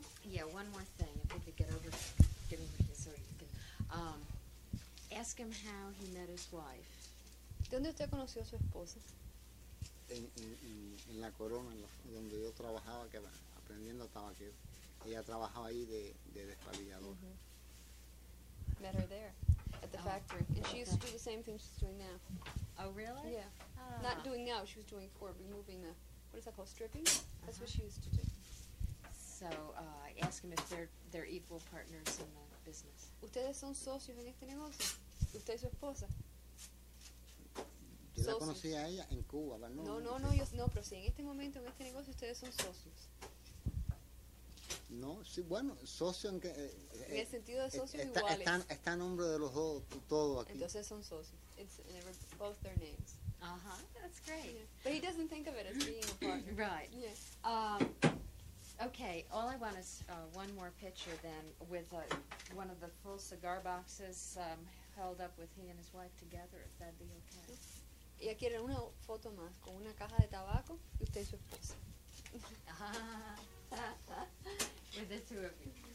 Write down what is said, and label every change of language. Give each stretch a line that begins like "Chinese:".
English: Yeah, one more thing, if we could get over here so you can ask him how he met his wife.
Spanish: ¿Dónde usted conoció a su esposa? En la Corona, donde yo trabajaba, que era aprendiendo tabaquero. Ella trabajaba ahí de despabilladora. Mm-hmm.
English: Met her there, at the factory. And she used to do the same thing she's doing now. Oh, really? Yeah. Not doing now, she was doing before, removing the, what is that called, stripping? Uh-huh. That's what she used to do. So, ask him if they're equal partners in the business.
Spanish: ¿Ustedes son socios en este negocio? ¿Usted y su esposa? Yo la conocí a ella en Cuba, ¿verdad? No, pero sí, en este momento, en este negocio, ustedes son socios. No, sí, bueno, socio en que... En el sentido de socios iguales. Está a nombre de los dos, todo aquí. Entonces son socios.
English: It's in both their names. Uh-huh, that's great. Yeah. But he doesn't think of it as being a partner. Right. Yeah. Okay, all I want is one more picture then with one of the full cigar boxes held up with he and his wife together, if that'd be okay.
Spanish: Ella quiere una foto más con una caja de tabaco y usted y su esposa.
English: With the two of you.